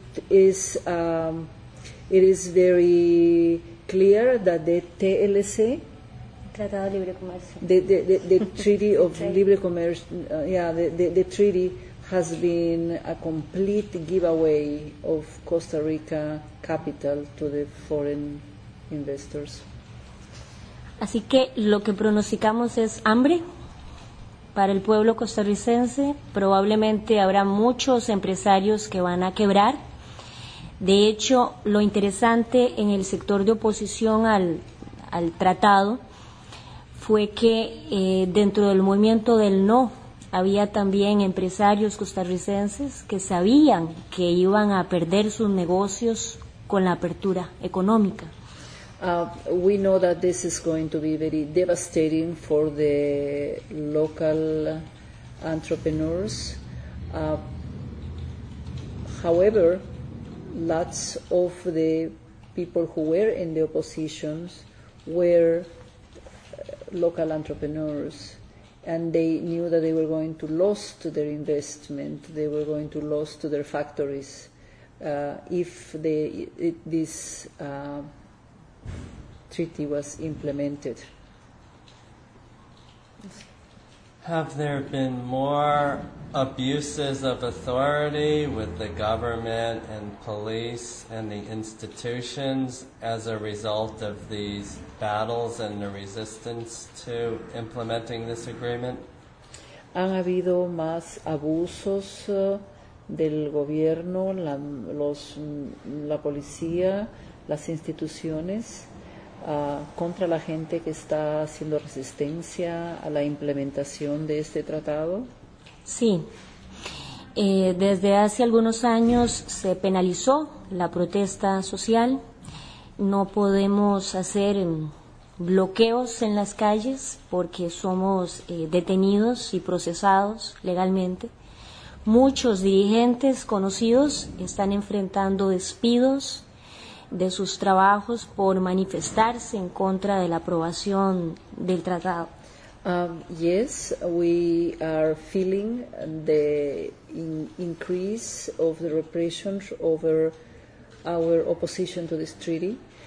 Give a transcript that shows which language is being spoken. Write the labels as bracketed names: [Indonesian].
[English] It is very clear that the TLC, [Spanish] Tratado de Libre Comercio, [English] the Treaty of Libre Commerce, the treaty has been a complete giveaway of Costa Rica capital to the foreign investors. [Spanish] Así que lo que pronosticamos es hambre para el pueblo costarricense. Probablemente habrá muchos empresarios que van a quebrar. De hecho, lo interesante en el sector de oposición al tratado fue que dentro del movimiento del no había también empresarios costarricenses que sabían que iban a perder sus negocios con la apertura económica. [English] We know that this is going to be very devastating for the local entrepreneurs. However, lots of the people who were in the oppositions were local entrepreneurs, and they knew that they were going to lose their investment, they were going to lose their factories if this treaty was implemented. Have there been more abuses of authority with the government and police and the institutions as a result of these battles and the resistance to implementing this agreement? [Spanish] ¿Han habido más abusos del gobierno, la policía, las instituciones contra la gente que está haciendo resistencia a la implementación de este tratado? Sí. Desde hace algunos años se penalizó la protesta social. No podemos hacer bloqueos en las calles porque somos detenidos y procesados legalmente. Muchos dirigentes conocidos están enfrentando despidos de sus trabajos por manifestarse en contra de la aprobación del tratado. [English] Yes, we are feeling the increase of the repression over our opposition to this treaty.